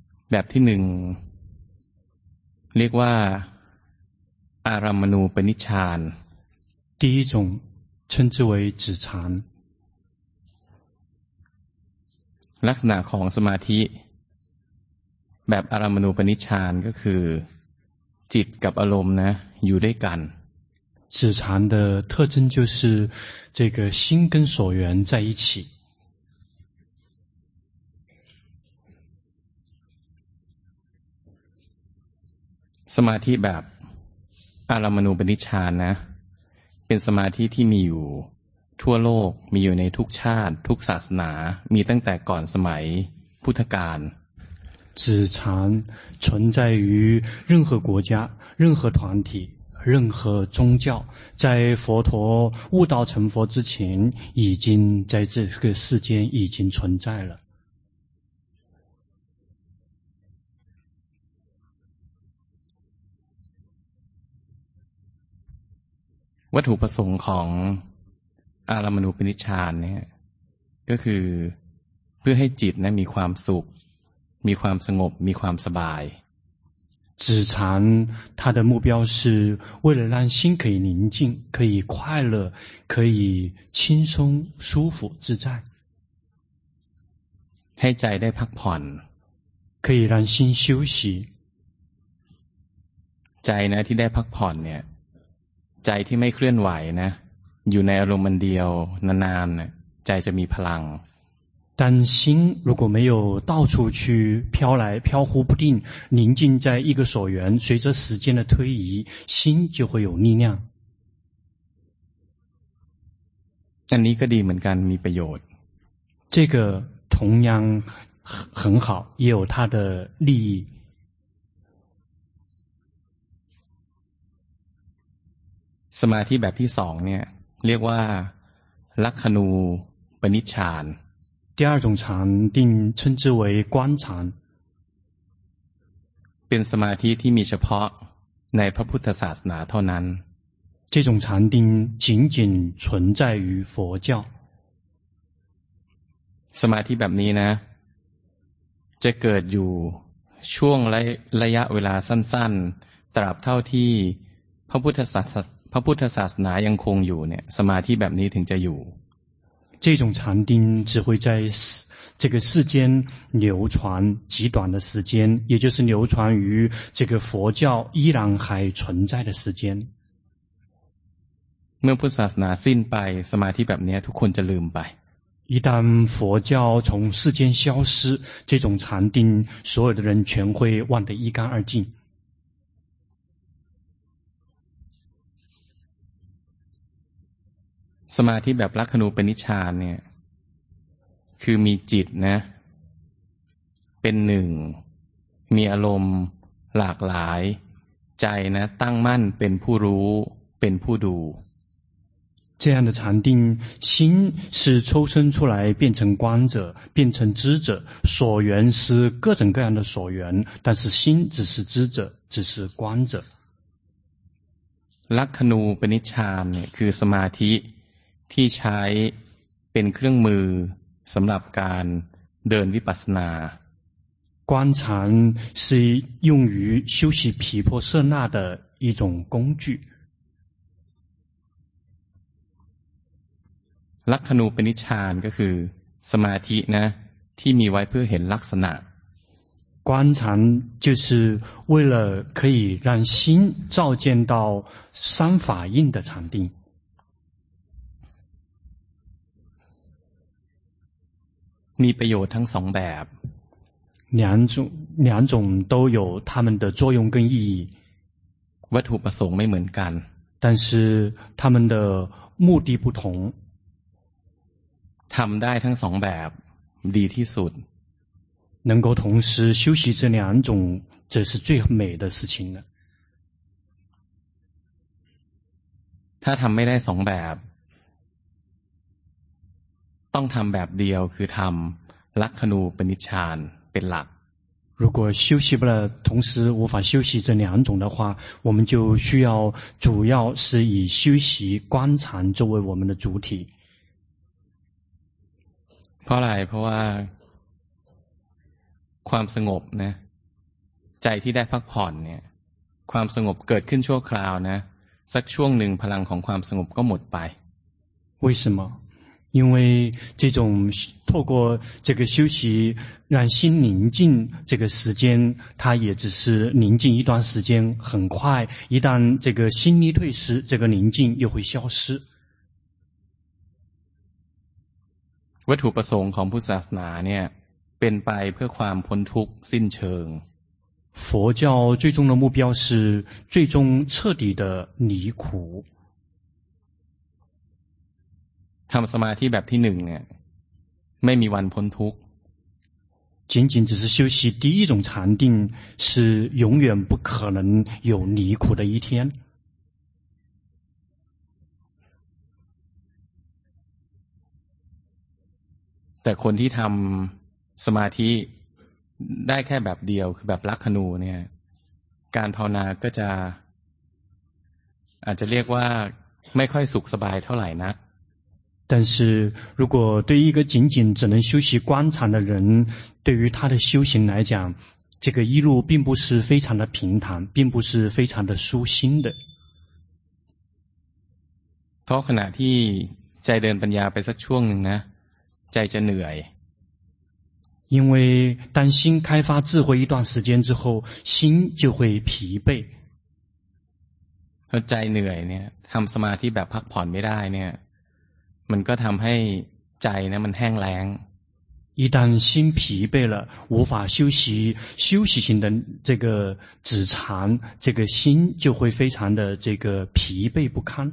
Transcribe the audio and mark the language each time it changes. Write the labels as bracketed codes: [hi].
[th] แบบที่1เรียกว่าอารัมมณูปนิชฌาน [zh] 第一种称之为止禅 [th] ลักษณะของสมาธิแบบอารัมมณูปนิชฌานก็คือจิตกับอารมณ์นะอยู่ด้วยกัน [zh] 止禅的特征就是这个心跟所缘在一起 [th] สมาธิแบบอารัมมณูปนิชฌานนะเป็นสมาธิที่มีอยู่ทั่วโลกมีอยู่ในทุกชาติทุกศาสนามีตั้งแต่ก่อนสมัยพุทธกาล [zh] 止禅存在于任何国家任何团体任何宗教在佛陀悟道成佛之前已经在这个世间已经存在了 [th] วัตถุประสงค์ของอารัมมณูปนิชฌานเนี่ยก็คือเพื่อให้จิตนะมีความสุขมีความสงบมีความสบาย [zh] 止禅它的目标是为了让心可以宁静可以快乐可以轻松舒服自在 [th] ให้ใจได้พักผ่อน [zh] 可以让心休息 [th] ใจนะที่ได้พักผ่อนเนี่ยใจที่ไม่เคลื่อนไหวนะอยู่ในอารมณ์มันเดียวนานๆใจจะมีพลัง [zh] 但心如果没有到处去飘来飘忽不定宁静在一个所缘随着时间的推移心就会有力量 [th] อันนี้ก็ดีเหมือนกันมีประโยชน์ [zh] 这个同样很好也有它的利益 [th] สมาธิแบบที่สองเนี่ยเรียกว่าลัคนูปนิชฌาน [zh] 第二种禅定称之为观禅 [th] เป็นสมาธิที่มีเฉพาะในพระพุทธศาสนาเท่านั้น [zh] 这种禅定仅仅存在于佛教 [th] สมาธิแบบนี้นะจะเกิดอยู่ช่วงระยะเวลาสั้นๆตราบเท่าที่พระพุทธศาสนายังคงอยู่เนี่ยสมาธิแบบนี้ถึงจะอยู่ [zh] 这种禅定只会在这个世间流传极短的时间也就是流传于这个佛教依然还存在的时间 [th] เมื่อพุทธศาสนาสิ้นไปสมาธิแบบนี้ทุกคนจะลืมไป [zh] 一旦佛教从世间消失这种禅定所有的人全会忘得一干二净 [th] สมาธิแบบลัคนูปนิชฌานเนี่ยคือมีจิตนะเป็นหนึ่งมีอารมณ์หลากหลายใจนะตั้งมั่นเป็นผู้รู้เป็นผู้ดู [zh] 这样的禅定心是抽身出来变成观者变成知者所缘是各种各样的所缘但是心只是知者只是观者 [th] ลัคนูปนิชฌานเนี่ยคือสมาธิที่ใช้เป็นเครื่องมือสำหรับการ เดินวิปัสสนา [zh] 观禅是用于修习毗婆舍那的一种工具 [th] ลักขณูปนิชฌานก็คือสมาธินะที่มีไว้เพื่อเห็นลักษณะ [zh] 观禅就是为了可以让心照见到三法印的禅定 [th] มีประโยชน์ทั้งสองแบบ [zh] 两种都有它们的作用跟意义 [th] วัตถุประสงค์ไม่เหมือนกัน [zh] 但是它们的目的不同 [th] ทำได้ทั้งสองแบบดีที่สุด [zh] 能够同时修习这两种这是最美的事情了 [th] ถ้าทำไม่ได้สองแบบต้องทำแบบเดียวคือทำลักขณูปนิชฌานเป็นหลัก [zh] 如果修习不了同时无法修习这两种的话我们就需要主要是以修习观禅作为我们的主体 [th] เพราะอะไรเพราะว่าความสงบนะใจที่ได้พักผ่อนเนี่ยความสงบเกิดขึ้นชั่วคราวนะสักช่วงหนึ่งพลังของความสงบก็หมดไป [zh] 为什么因为这种透过这个休息让心宁静这个时间它也只是宁静一段时间很快一旦这个心力退失这个宁静又会消失 [th] วัตถุประสงค์ของพุทธศาสนาเนี่ยเป็นไปเพื่อความพ้นทุกข์สิ้นเชิง [zh] 佛教最终的目标是最终彻底的离苦 [th] ทำสมาธิแบบที่หนึ่งเนี่ยไม่มีวันพ้นทุกข์ [zh] 仅仅只是修习第一种禅定是永远不可能有离苦的一天 [th] แต่คนที่ทำสมาธิได้แค่แบบเดียวคือแบบลักขณูเนี่ยการภาวนาก็จะอาจจะเรียกว่าไม่ค่อยสุขสบายเท่าไหร่นัก [zh] 但是如果对一个仅仅只能修习观禅的人对于他的修行来讲这个一路并不是非常的平坦并不是非常的舒心的 [th] เพราะขณะที่ใจเดินปัญญาไปสักช่วงหนึ่งนะใจจะเหนื่อย [zh] 因为当心开发智慧一段时间之后心就会疲惫 [th] พอใจเหนื่อยเนี่ยทำสมาธิแบบพักผ่อนไม่ได้เนี่ยมันก็ทำให้ใจนะมันแห้งแล้ง [zh] 一旦心疲惫了无法休息型的这个止禅这个心就会非常的这个疲惫不堪